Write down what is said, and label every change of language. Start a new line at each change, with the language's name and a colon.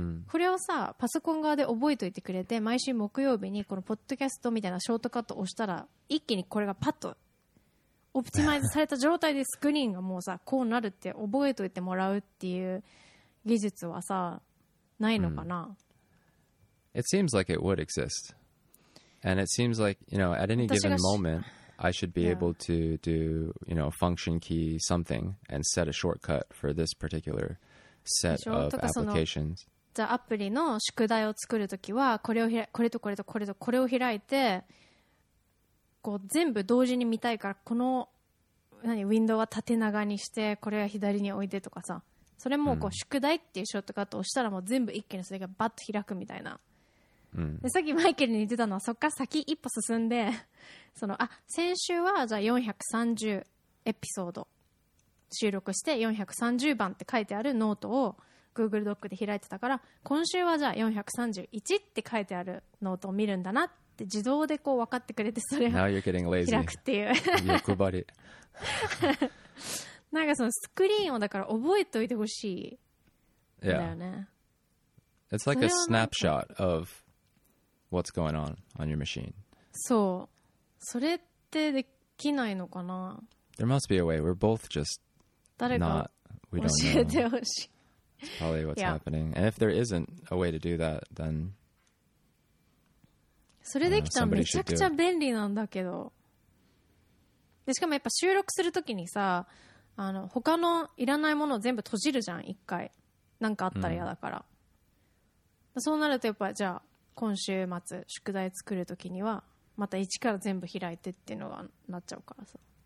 Japanese: これをさパソコン側で覚えておいてくれて毎週木曜日にこのポッドキャストみたいなショートカットを押したら一気にこれがパッとオプティマイズされた状態でスクリーンがもうさこうなるって覚えておいてもらうっていう技術はさないのかな、うん、
English: It seems like it would exist And it seems like you know, at any given momentI should be、yeah. able to do, you know, function key something and set a shortcut for this particular set of applications.
Japanese: じゃあアプリの宿題を作るときはこれをこれとこれとこれとこれを開いてこう全部同時に見たいからこの何ウィンドウは縦長にしてこれは左に置いてとかさそれもこう宿題っていうショートカットを押したらもう全部一気にそれがバッと開くみたいな。うん、でさっきマイケルに言ってたのはそっから先一歩進んでそのあ先週はじゃあ430エピソード収録して430番って書いてあるノートを Google ドックで開いてたから今週はじゃあ431って書いてあるノートを見るんだなって自動でこう分かってくれてそれを
English: Now you're getting lazy.
Japanese: 開くっていう欲張りなんかそのスクリーンをだから覚えておいてほしいんだよね、 yeah.
English: It's like a snapshot ofWhat's going on your machine?
Japanese: そう。それってできないのかな?
English: There must be a way. We're both just not...
Japanese: 誰か
English: we don't
Japanese: 教えてほしい。
English: It's probably what's yeah. happening. And if there isn't a way to do that, then...
Japanese: それできたらめちゃくちゃ便利なんだけど。でしかもやっぱ収録するときにさ、あの、他のいらないものを全部閉じるじゃん、一回。なんかあったら嫌だから。 Mm. そうなるとやっぱじゃあ、今週末宿題作るときにはまた一から全部開いてっていうのがなっちゃうからさ。